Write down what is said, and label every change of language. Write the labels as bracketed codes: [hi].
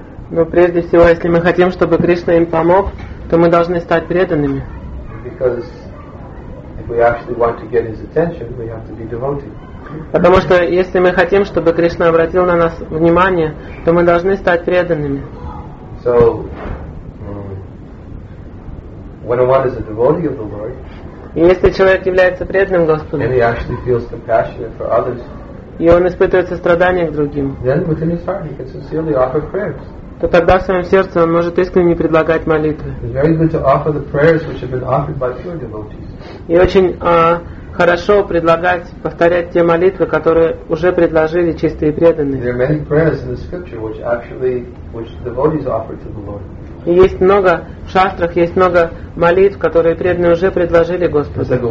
[ru] Но прежде всего, если мы хотим, чтобы Кришна им помог, то мы должны стать преданными. [en] Because if we actually want to get his attention, we have to be devotees. [ru] Потому что если мы хотим, чтобы Кришна обратил на нас внимание, то мы должны стать преданными. [en] So, when one is a devotee of the Lord. [ru] И если человек является преданным Господу, [en] and he actually feels compassionate for others, [ru] и он испытывает сострадание к другим, [en] then within his heart he can sincerely offer prayers. [ru] То тогда в своем сердце он может искренне предлагать молитвы. [en] It's very good to offer the prayers which have been offered by pure devotees. [ru] И очень хорошо предлагать, повторять те молитвы, которые уже предложили чистые преданные. [en] There are many prayers in the scripture which devotees offer to the Lord. [ru] И есть много в шастрах, есть много молитв, которые преданные уже предложили Господу.